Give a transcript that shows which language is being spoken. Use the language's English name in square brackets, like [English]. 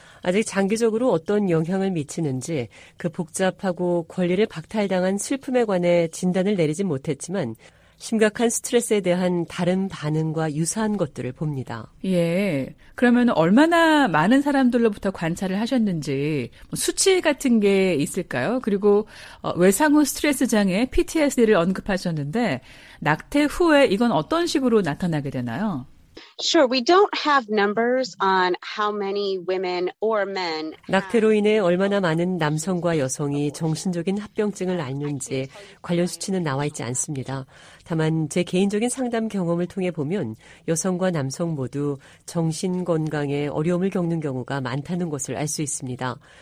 [Korean] 아직 장기적으로 어떤 영향을 미치는지 그 복잡하고 권리를 박탈당한 슬픔에 관해 진단을 내리지 못했지만 심각한 스트레스에 대한 다른 반응과 유사한 것들을 봅니다. 예, 그러면 얼마나 많은 사람들로부터 관찰을 하셨는지 수치 같은 게 있을까요? 그리고 외상 후 스트레스 장애 PTSD를 언급하셨는데 낙태 후에 이건 어떤 식으로 나타나게 되나요? [English] Sure, we don't have numbers on how many women or men. [Korean] 낙태로 인해 얼마나 많은 남성과 여성이 정신적인 합병증을 앓는지 관련 수치는 나와 있지 않습니다. 다만 제 개인적인 상담 경험을 통해 보면 여성과 남성 모두 정신 건강에 어려움을 겪는 경우가 많다는 것을 알 수 있습니다.